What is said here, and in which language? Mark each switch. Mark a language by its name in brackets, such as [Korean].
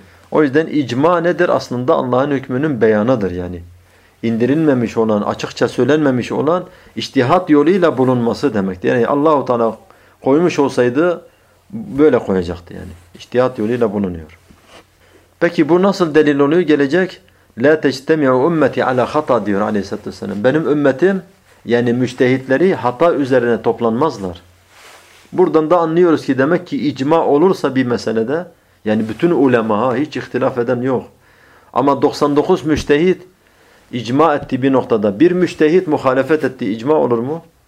[Turkish] O yüzden icma nedir? Aslında Allah'ın hükmünün beyanıdır yani. İndirilmemiş olan, açıkça söylenmemiş olan içtihat yoluyla bulunması demektir. Yani Allah-u Teala koymuş olsaydı böyle koyacaktı yani. İçtihat yoluyla bulunuyor. Peki bu nasıl delil oluyor? Gelecek. [Arabic] لَا تَجْتَمِعُ اُمَّتِ عَلَى خَطَى [Turkish] diyor aleyhissalatü vesselam. Benim ümmetim, yani müçtehitleri hata üzerine toplanmazlar. Buradan da anlıyoruz ki demek ki icma olursa bir meselede, yani bütün ulema, hiç ihtilaf eden yok. Ama 99 müçtehit icma etti bir noktada. Bir müçtehit muhalefet etti, icma olur mu?